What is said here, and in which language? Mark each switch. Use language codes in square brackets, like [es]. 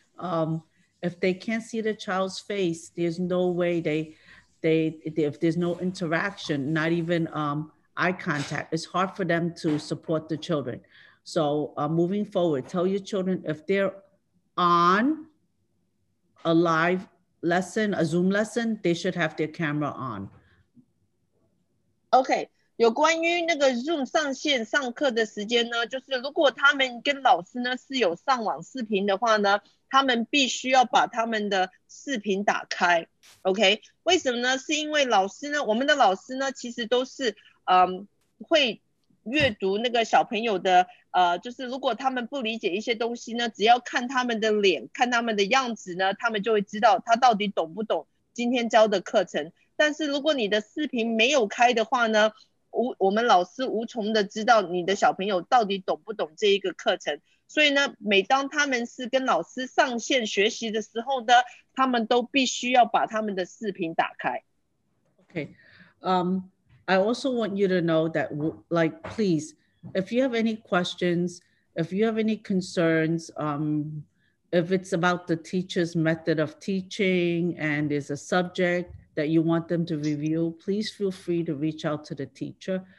[en] If they can't see the child's face, there's no way if there's no interaction, not even eye contact, it's hard for them to support the children. So moving forward, tell your children if they're on a live lesson, a Zoom lesson, they should have their camera on. [zh] OK，有关于那个 Zoom 上线上课的时间呢，就是如果他们跟老师呢是有上网视频的话呢，他们必须要把他们的视频打开。 OK，为什么呢？是因为老师呢，我们的老师呢，其实都是会阅读那个小朋友的，就是如果他们不理解一些东西呢，只要看他们的脸，看他们的样子呢，他们就会知道他到底懂不懂今天教的课程。但是如果你的视频没有开的话呢，我们老师无从的知道你的小朋友到底懂不懂这一个课程。所以呢，每当他们是跟老师上线学习的时候呢，他们都必须要把他们的视频打开。 [en] I also want you to know that, like, please, if you have any questions, if you have any concerns, if it's about the teacher's method of teaching and there's a subject that you want them to review, please feel free to reach out to the teacher.